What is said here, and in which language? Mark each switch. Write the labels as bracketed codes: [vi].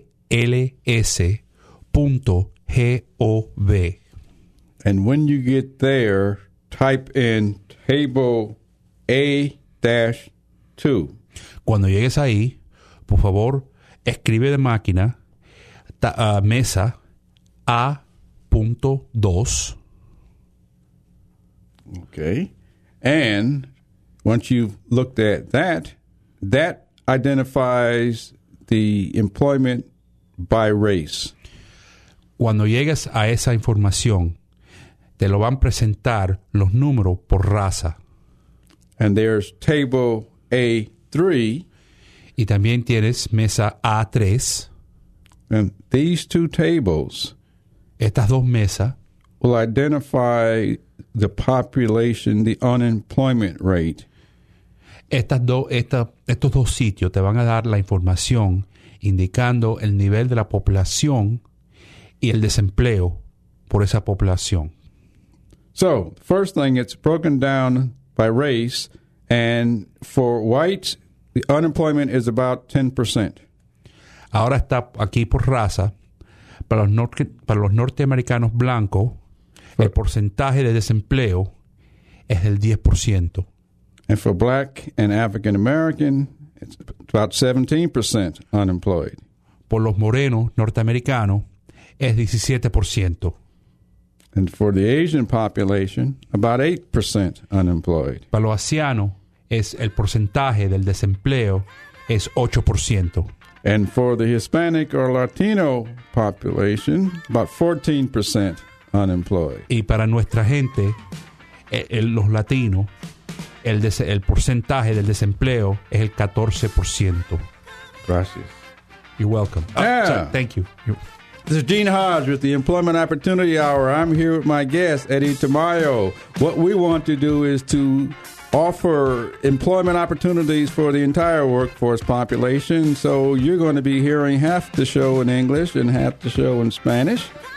[en] And when you get there, type in table A-2. [es] Cuando llegues ahí, por favor, escribe de máquina mesa A.2. [en] Okay. And once you've looked at that, that identifies the employment by race. [es] Cuando llegues a esa información, te lo van a presentar los números por raza. [en] And there's table A3. [es] Y también tienes mesa A3. [en] And these two tables, [es] estas dos mesas, [en] will identify the population, the unemployment rate. [es] Estos dos sitios te van a dar la información indicando el nivel de la población y el desempleo por esa población. [en] So, first thing, it's broken down by race, and for whites, the unemployment is about 10%. [es] Ahora está aquí por raza, para los norteamericanos blancos, el porcentaje de desempleo es del 10%. [en] And for black and African American, it's about 17% unemployed. [es] Por los morenos norteamericanos, es 17%. [en] And for the Asian population, about 8% unemployed. [es] Para los asianos, es el porcentaje del desempleo es 8%. [en] And for the Hispanic or Latino population, about 14% unemployed. [es] Y para nuestra gente, los latinos, el porcentaje del desempleo es el 14%. Gracias. [en] You're welcome. Yeah. Oh, sorry, thank you. This is Gene Hodge with the Employment Opportunity Hour. I'm here with my guest, Eddie Tamayo. What we want to do is to offer employment opportunities for the entire workforce population. So you're going to be hearing half the show in English and half the show in Spanish.